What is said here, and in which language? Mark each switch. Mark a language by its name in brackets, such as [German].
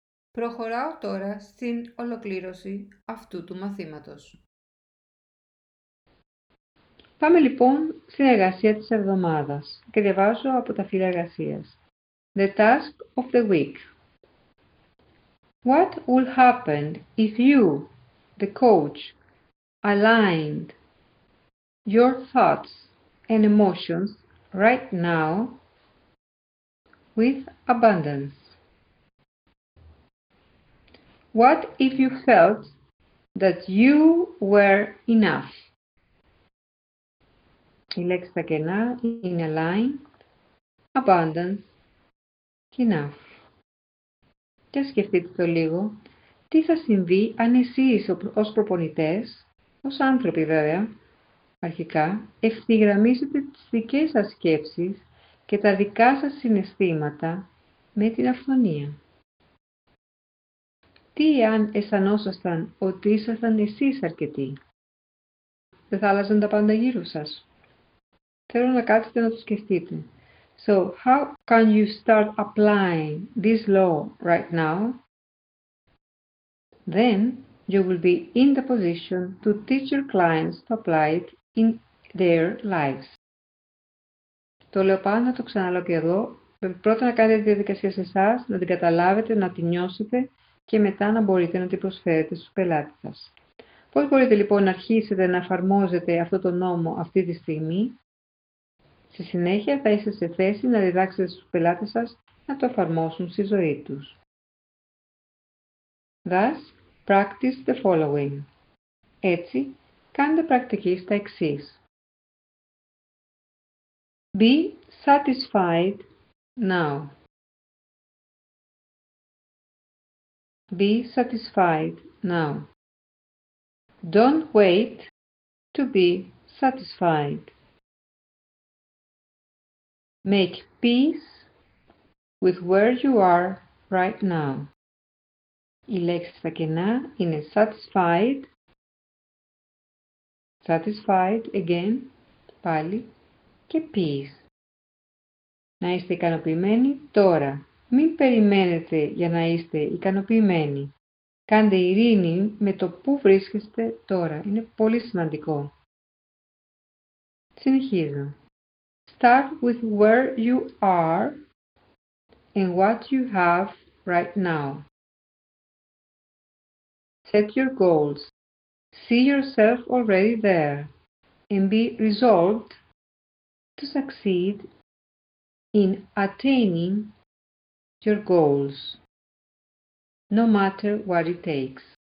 [Greek] Προχωράω τώρα στην ολοκλήρωση αυτού του μαθήματος. Πάμε λοιπόν στην εργασία της εβδομάδας και διαβάζω από τα φύλλα εργασίας. [English] The task of the week. What would happen if you, the coach, aligned your thoughts and emotions right now with abundance? What if you felt that you were enough? [Greek] Η λέξη τα κενά είναι [English] align, abundance, enough. [Greek] Για σκεφτείτε το λίγο, τι θα συμβεί αν εσείς ως προπονητές, ως άνθρωποι βέβαια, αρχικά, ευθυγραμμίσετε τις δικές σας σκέψεις και τα δικά σας συναισθήματα με την αυθονία. Τι αν αισθανόσασταν ότι ήσασταν εσείς αρκετοί, δεν θα άλλαζαν τα πάντα γύρω σας. Θέλω να κάτσετε να το σκεφτείτε. [English] So how can you start applying this law right now? Then you will be in the position to teach your clients to apply it in their lives. [Greek] Το λέω πάνω, το ξαναλέω και εδώ. Πρώτα να κάνετε τη διαδικασία σε εσάς, να την καταλάβετε, να την νιώσετε και μετά να μπορείτε να την προσφέρετε στους πελάτες σας. Πώς μπορείτε λοιπόν να αρχίσετε να εφαρμόζετε αυτό το νόμο αυτή τη στιγμή? Στη συνέχεια θα είστε σε θέση να διδάξετε στους πελάτες σας να το εφαρμόσουν στη ζωή τους. [English] Thus, practice the following. [Greek] Έτσι, κάντε πρακτική στα εξής. [English] Be satisfied now. Be satisfied now. Don't wait to be satisfied. Make peace with where you are right now. [Greek] Οι λέξεις στα κενά είναι [English] satisfied, satisfied again, [Greek] πάλι, και [English] peace. [Greek] Να είστε ικανοποιημένοι τώρα. Μην περιμένετε για να είστε ικανοποιημένοι. Κάντε ειρήνη με το που βρίσκεστε τώρα. Είναι πολύ σημαντικό. Συνεχίζω. [English] Start with where you are and what you have right now. Set your goals. See yourself already there and be resolved to succeed in attaining your goals, no matter what it takes.